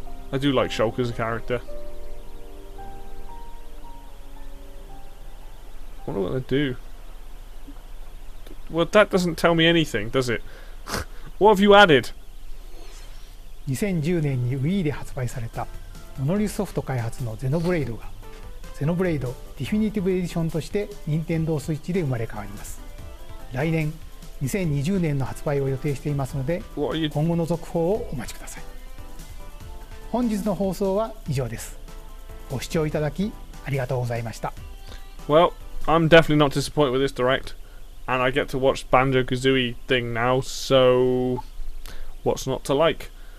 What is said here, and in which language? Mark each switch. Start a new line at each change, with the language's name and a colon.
English: I do like Shulk as a character. What am I going to do? Well, that doesn't tell me anything, does it? What have you added?
Japanese: 2010年に Wii で発売されたモノリスソフト開発のゼノブレイドがゼノブレイドディフィニティブエディションとして任天堂スイッチで生まれ変わります。来年2020年の発売を予定していますので今後の続報をお待ちください。本日の放送は以上です。ご視聴いただきありがとうございました。
English: Well, I'm definitely not disappointed with this direct and I get to watch Banjo-Kazooie thing now, so what's not to like?